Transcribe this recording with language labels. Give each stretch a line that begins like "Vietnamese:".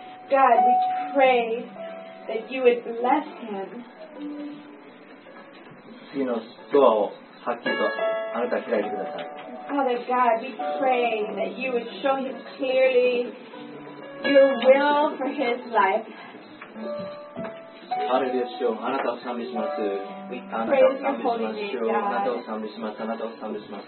English: God, we pray that you would bless him.
Japanese: 次のドアをはっきりとあなたが開いてください。
English: Father God, we pray that you would show him clearly your will for his life.
Japanese: あれですよ、あなたを賛美します。あなたを賛美しますよ、あなたを賛美します、あなたを賛美します。